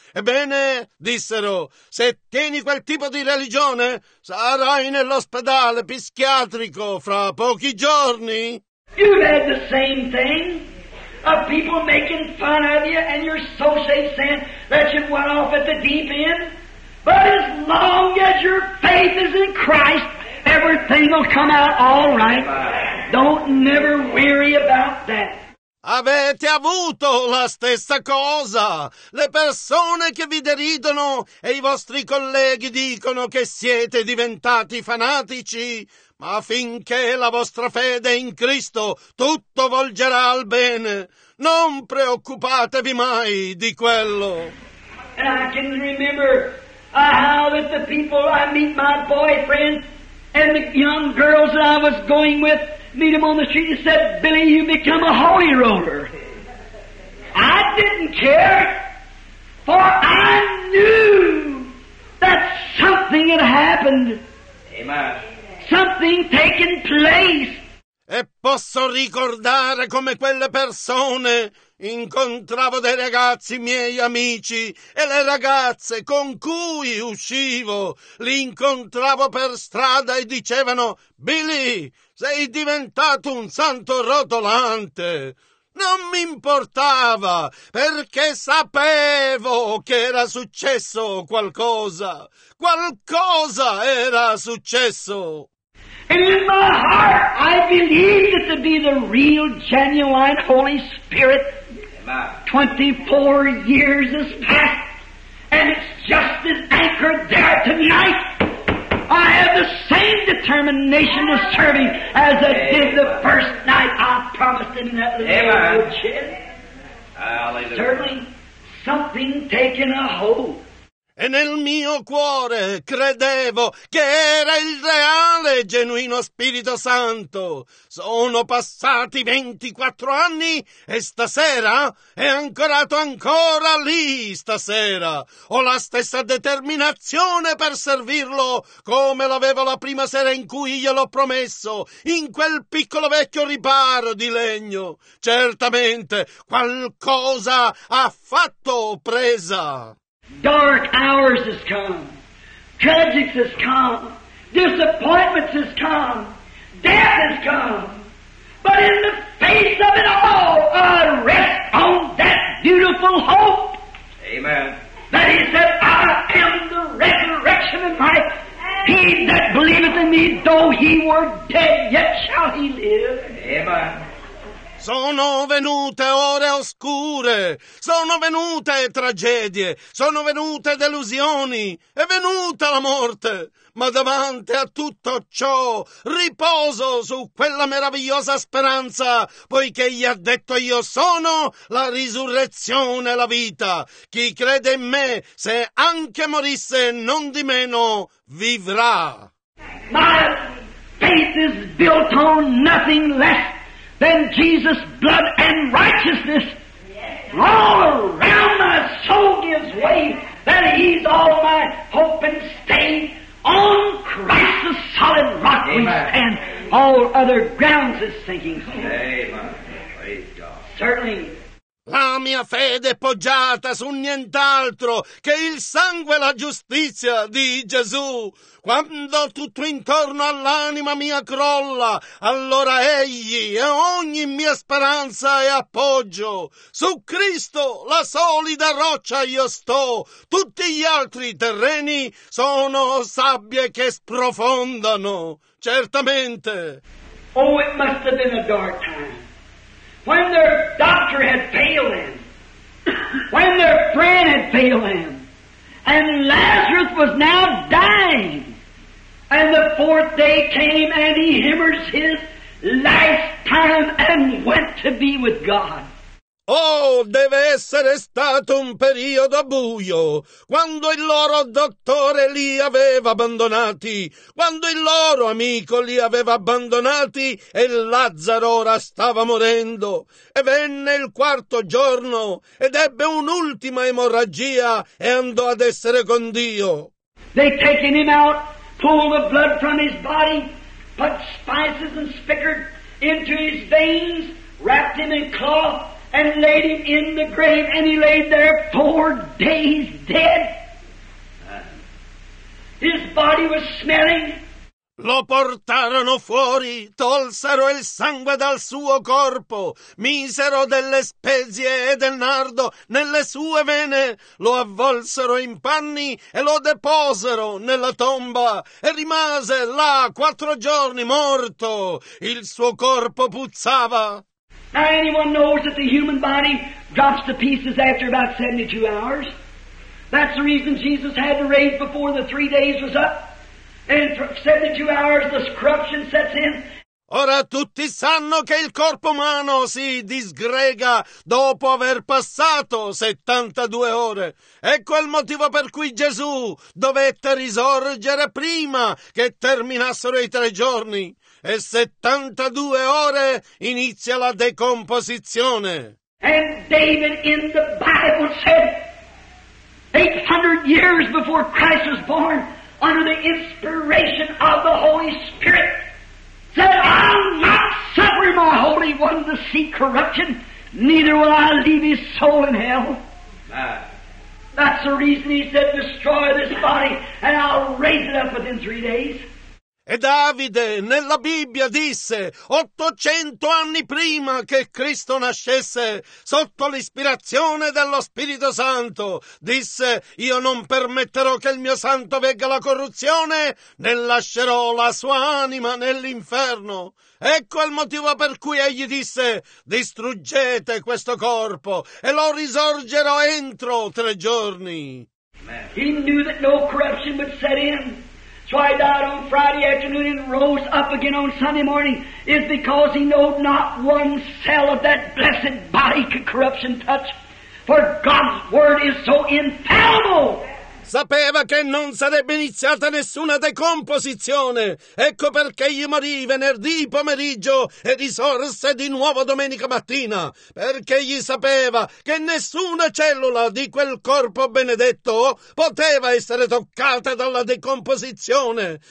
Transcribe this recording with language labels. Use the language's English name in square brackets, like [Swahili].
[Italian] Ebbene, dissero, se tieni quel tipo di religione, sarai nell'ospedale psichiatrico fra pochi giorni. [English] You had the same thing. Of people making fun of you and you're so safe saying that you went off at the deep end. But as long as your faith is in Christ, everything will come out all right. Don't never weary about that. [Italian] Avete avuto la stessa cosa. Le persone che vi deridono e i vostri colleghi dicono che siete diventati fanatici. Ma finché la vostra fede è in Cristo, tutto volgerà al bene. Non preoccupatevi mai di quello. [English] And I can remember how that the people I meet, my boyfriend, and the young girls that I was going with, meet them on the street and said, Billy, you become a holy roller. I didn't care, for I knew that something had happened. Amen. Something taking place. [Italian] E posso ricordare come quelle persone incontravo dei ragazzi miei amici e le ragazze con cui uscivo li incontravo per strada e dicevano Billy, sei diventato un santo rotolante. Non mi importava perché sapevo che era successo qualcosa. Qualcosa era successo. [English] And in my heart, I believed it to be the real, genuine Holy Spirit. Amen. 24 years has passed, and it's just an anchor there tonight. I have the same determination to serve Him as I Amen. Did the first night I promised Him in that little kitchen. Certainly, something taking a hold. [Italian] E nel mio cuore credevo che era il reale e genuino Spirito Santo. Sono passati 24 anni e stasera è ancora lì stasera. Ho la stessa determinazione per servirlo come l'avevo la prima sera in cui gliel'ho promesso, in quel piccolo vecchio riparo di legno. Certamente qualcosa ha fatto presa. [English] Dark hours has come. Tragics has come. Disappointments has come. Death has come. But in the face of it all, I rest on that beautiful hope. Amen. That He said, I am the resurrection and life. He that believeth in me, though he were dead, yet shall he live. Amen. [Italian] Sono venute ore oscure, sono venute tragedie, sono venute delusioni, è venuta la morte. Ma davanti a tutto ciò riposo su quella meravigliosa speranza, poiché gli ha detto io sono la risurrezione e la vita. Chi crede in me, se anche morisse, non di meno vivrà. [English] My faith is built on nothing less. Then Jesus' blood and righteousness all around my soul gives way that He's all my hope and stay on Christ the solid rock Amen. We stand. All other grounds is sinking. Amen. Praise God. Certainly. [Italian] La mia fede è poggiata su nient'altro che il sangue e la giustizia di Gesù. Quando tutto intorno all'anima mia crolla, allora Egli è ogni mia speranza e appoggio. Su Cristo, la solida roccia, io sto. Tutti gli altri terreni sono sabbie che sprofondano. Certamente. [English] Oh, it must have been a dark time. When their doctor had failed them, when their friend had failed them, and Lazarus was now dying, and the fourth day came and he hemorrhaged his last time and went to be with God. [Italian] Oh, deve essere stato un periodo buio, quando il loro dottore li aveva abbandonati, quando il loro amico li aveva abbandonati e Lazzaro ora stava morendo. E venne il quarto giorno ed ebbe un'ultima emorragia e andò ad essere con Dio. [English] They taken him out, pulled the blood from his body, put spices and spikard into his veins, wrapped him in cloth, and laid him in the grave, and he laid there 4 days dead. His body was smelling. [Italian] Lo portarono fuori, tolsero il sangue dal suo corpo, misero delle spezie e del nardo nelle sue vene, lo avvolsero in panni e lo deposero nella tomba e rimase là 4 giorni morto. Il suo corpo puzzava. [English] Now anyone knows that the human body drops to pieces after about 72 hours. That's the reason Jesus had to raise before the 3 days was up. And for 72 hours the corruption sets in. [Italian] Ora tutti sanno che il corpo umano si disgrega dopo aver passato 72 ore. Ecco il motivo per cui Gesù dovette risorgere prima che terminassero i 3 giorni. E 72 ore inizia la decomposizione. [English] And David in the Bible said, 800 years before Christ was born, under the inspiration of the Holy Spirit, said, I'll not suffer my Holy One to see corruption, neither will I leave his soul in hell. That's the reason he said, destroy this body, and I'll raise it up within 3 days. [Italian] E Davide nella Bibbia disse, 800 anni prima che Cristo nascesse, sotto l'ispirazione dello Spirito Santo, disse, io non permetterò che il mio santo vegga la corruzione, né lascerò la sua anima nell'inferno. Ecco il motivo per cui egli disse, distruggete questo corpo e lo risorgerò entro 3 giorni. [English] He knew that no corruption would set in. So I died on Friday afternoon and rose up again on Sunday morning is because he knew not one cell of that blessed body could corruption touch. For God's word is so infallible. [Italian] Sapeva che non sarebbe iniziata nessuna decomposizione. Ecco perché gli morì venerdì pomeriggio e risorse di nuovo domenica mattina. Perché gli sapeva che nessuna cellula di quel corpo benedetto poteva essere toccata dalla decomposizione.